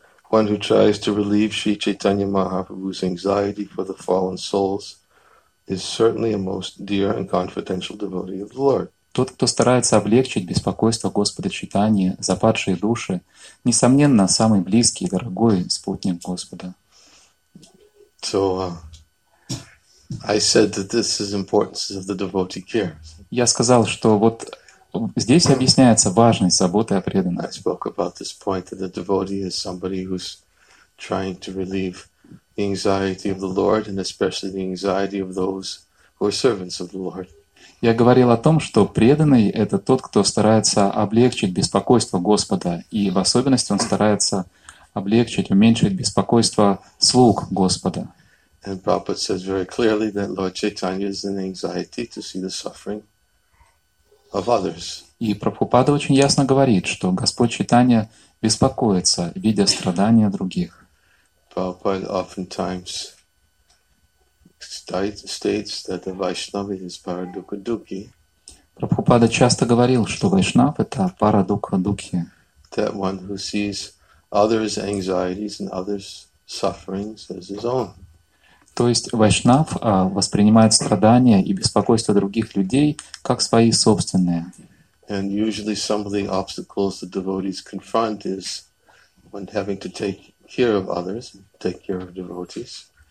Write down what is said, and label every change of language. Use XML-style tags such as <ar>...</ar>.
<en>One who tries to relieve Sri Chaitanya Mahaprabhu's anxiety for the fallen souls is certainly a most dear and confidential devotee of the Lord.</en> <ru>Тот, кто старается облегчить беспокойство Господа Чайтаньи за падшие души, несомненно, самый близкий и дорогой спутник Господа.</ru> <en>So I said that this is importance of the devotee care.</en> <ru>Я сказал, что вот здесь объясняется важность заботы о преданных.</ru> <en>I spoke about this point that the devotee is somebody who's trying to relieve the anxiety of the Lord and especially the anxiety of those who are servants of the Lord.</en> <ru>Я говорил о том, что преданный — это тот, кто старается облегчить беспокойство Господа, и в особенности он старается облегчить, уменьшить беспокойство слуг Господа.</ru> <en>And Prabhupada says very clearly that Lord Chaitanya is in anxiety to see the suffering of others.</en> <ru>И Прабхупада очень ясно говорит, что Господь Чайтанья беспокоится, видя страдания других.</ru> <en>Prabhupada oftentimes states that the Vaishnava is paradukha-dukhi.</en> <ru>Прабхупада часто говорил, что Вайшнав — это парадукха-дукхи.</ru> <en>That one who sees others' anxieties and others' sufferings as his own.</en> <ru>То есть Вайшнав воспринимает страдания и беспокойство других людей как свои собственные.</ru> <en>And usually some of the obstacles the devotees confront is when having to take care of others, take care of devotees.</en>